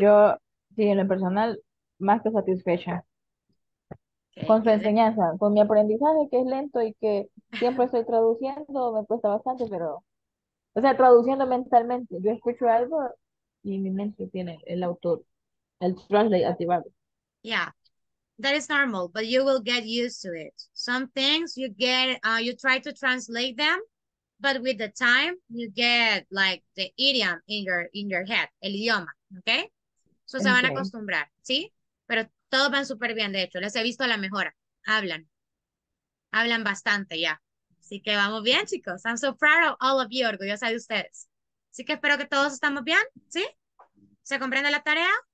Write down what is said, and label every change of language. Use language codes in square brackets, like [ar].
[es] yo, sí, en lo personal, más que satisfecha con su [en] Okay, [es] enseñanza, con mi aprendizaje que es lento y que siempre estoy traduciendo, me cuesta bastante, pero. O sea, traduciendo mentalmente. Yo escucho algo y mi mente tiene el autor, el translate activado. [en] yeah, that is normal, but you will get used to it. Some things you get, you try to translate them, but with the time you get like the idiom in your head, [es] el idioma, [en] okay? [es] So se van a [en] Okay. [es] acostumbrar, ¿sí? Pero todos van súper bien, de hecho, les he visto la mejora. Hablan bastante ya. Así que vamos bien, chicos. [en] I'm so proud of all of you, [es] orgullosa de ustedes. Así que espero que todos estamos bien, ¿sí? ¿Se comprende la tarea?